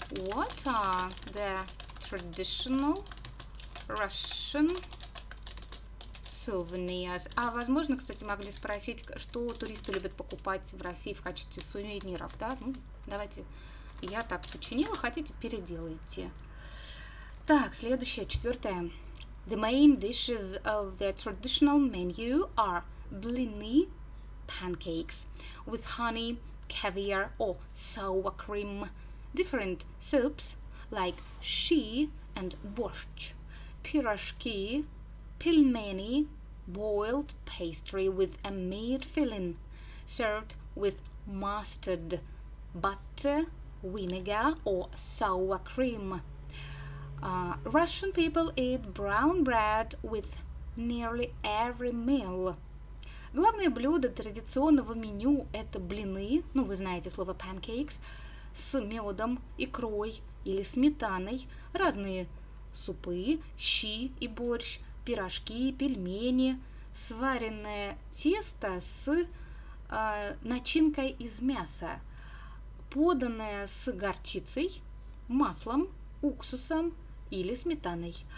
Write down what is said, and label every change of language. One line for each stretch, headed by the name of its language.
English: What are the traditional Russian souvenirs?
Russian: А возможно, кстати, могли спросить, что туристы любят покупать в России в качестве сувениров, да? Ну, давайте, я так сочинила, хотите, переделайте. Так, следующее, четвертое.
English: The main dishes of the traditional menu are blini, pancakes with honey, caviar or sour cream, different soups like shchi and borscht, pirozhki, pelmeni, boiled pastry with a meat filling, served with mustard, butter, vinegar or sour cream. Russian people eat brown bread with nearly every meal.
Russian: Главное блюдо традиционного меню – это блины, ну, вы знаете слово pancakes, с медом, икрой или сметаной, разные супы, щи и борщ, пирожки, пельмени, сваренное тесто с начинкой из мяса, поданное с горчицей, маслом, уксусом или сметаной.